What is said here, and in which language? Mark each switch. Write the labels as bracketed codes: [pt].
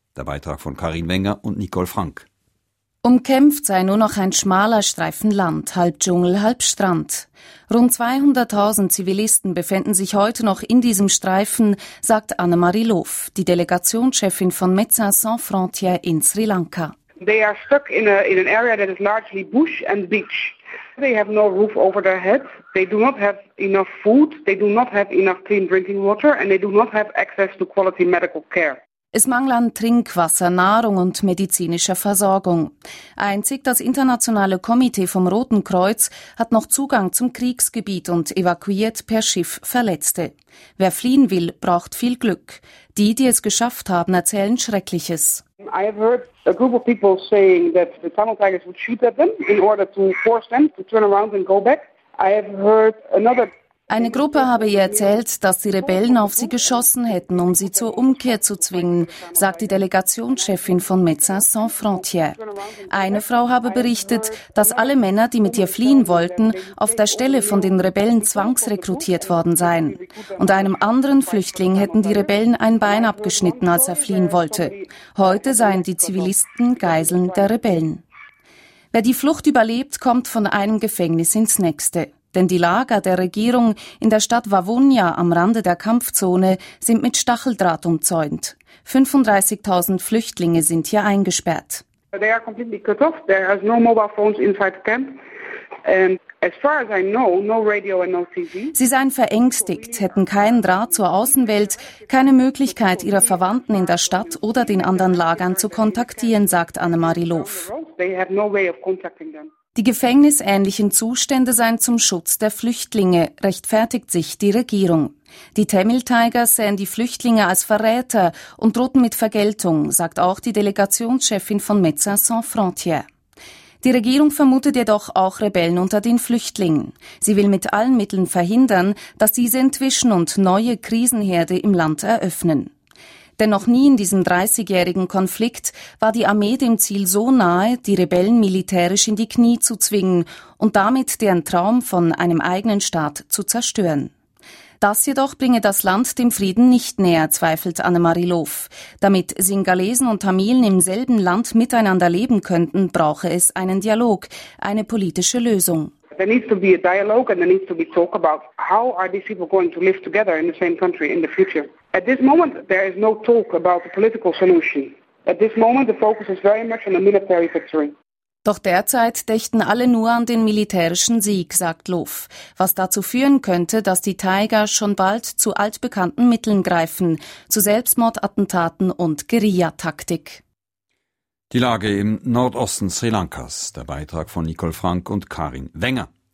[de] Der Beitrag von Karin Wenger und Nicole Frank. Umkämpft sei nur noch ein schmaler Streifen Land, halb Dschungel, halb Strand. Rund 200.000 Zivilisten befinden sich heute noch in diesem Streifen, sagt Annemarie Loof, die Delegationschefin von Médecins Sans Frontières in Sri Lanka. [en] They are stuck in an area that is largely bush and beach. They have no roof over their head. They do not have enough food. They do not have enough clean drinking water and they do not have access to quality medical care. [de] Es mangelt an Trinkwasser, Nahrung und medizinischer Versorgung. Einzig das Internationale Komitee vom Roten Kreuz hat noch Zugang zum Kriegsgebiet und evakuiert per Schiff Verletzte. Wer fliehen will, braucht viel Glück. Die, die es geschafft haben, erzählen Schreckliches. [en] I have heard a group of people saying that the Tamil Tigers would shoot at them in order to force them to turn around and go back. I have heard another. [de] Eine Gruppe habe ihr erzählt, dass die Rebellen auf sie geschossen hätten, um sie zur Umkehr zu zwingen, sagt die Delegationschefin von Médecins Sans Frontières. Eine Frau habe berichtet, dass alle Männer, die mit ihr fliehen wollten, auf der Stelle von den Rebellen zwangsrekrutiert worden seien. Und einem anderen Flüchtling hätten die Rebellen ein Bein abgeschnitten, als er fliehen wollte. Heute seien die Zivilisten Geiseln der Rebellen. Wer die Flucht überlebt, kommt von einem Gefängnis ins nächste. Denn die Lager der Regierung in der Stadt Wavunya am Rande der Kampfzone sind mit Stacheldraht umzäunt. 35.000 Flüchtlinge sind hier eingesperrt. [en] They are completely cut off. There are no mobile phones inside the camp. As far as I know, no radio and no TV. [de] Sie seien verängstigt, hätten keinen Draht zur Außenwelt, keine Möglichkeit, ihre Verwandten in der Stadt oder den anderen Lagern zu kontaktieren, sagt Annemarie Loof. [en] They have no way of contacting them. [de] Die gefängnisähnlichen Zustände seien zum Schutz der Flüchtlinge, rechtfertigt sich die Regierung. Die Tamil Tigers sehen die Flüchtlinge als Verräter und drohten mit Vergeltung, sagt auch die Delegationschefin von Médecins Sans Frontières. Die Regierung vermutet jedoch auch Rebellen unter den Flüchtlingen. Sie will mit allen Mitteln verhindern, dass diese entwischen und neue Krisenherde im Land eröffnen. Denn noch nie in diesem 30-jährigen Konflikt war die Armee dem Ziel so nahe, die Rebellen militärisch in die Knie zu zwingen und damit deren Traum von einem eigenen Staat zu zerstören. Das jedoch bringe das Land dem Frieden nicht näher, zweifelt Annemarie Loof. Damit Singalesen und Tamilen im selben Land miteinander leben könnten, brauche es einen Dialog, eine politische Lösung. [en] There needs to be a dialogue and there needs to be talk about how are these people going to live together in the same country in the future. At this moment there is no talk about a political solution. At this moment the focus is very much on a military victory. [de] Doch derzeit dächten alle nur an den militärischen Sieg, sagt Loof, was dazu führen könnte, dass die Tiger schon bald zu altbekannten Mitteln greifen, zu Selbstmordattentaten und Guerillataktik. Die Lage im Nordosten Sri Lankas, der Beitrag von Nicole Frank und Karin Wenger.